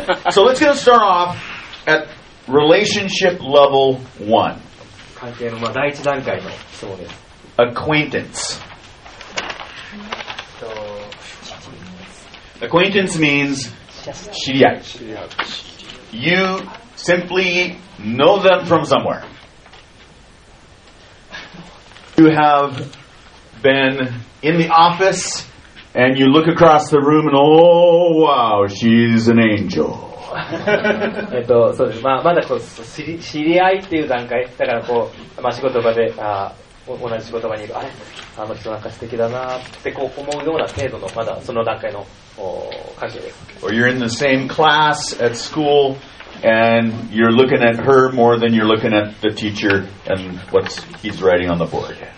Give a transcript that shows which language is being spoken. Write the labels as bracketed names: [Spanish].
[English] So let's get start off at relationship level one. [Japanese] 関係のまあ第一段階の質問です。 [English] Acquaintance. Acquaintance means 知り合い。 You simply know them from somewhere. You have been in the office and you look across the room and oh wow, she's an angel. [Japanese] そうです。まあ、まだこう知り合いっていう段階だからこう、まあ、仕事場で同じ仕事場にいるあれあの人なんか素敵だなってこう思うような程度のまだその段階の関係です。 [English] Or you're in the same class at school. And you're looking at her more than you're looking at the teacher and what he's writing on the board.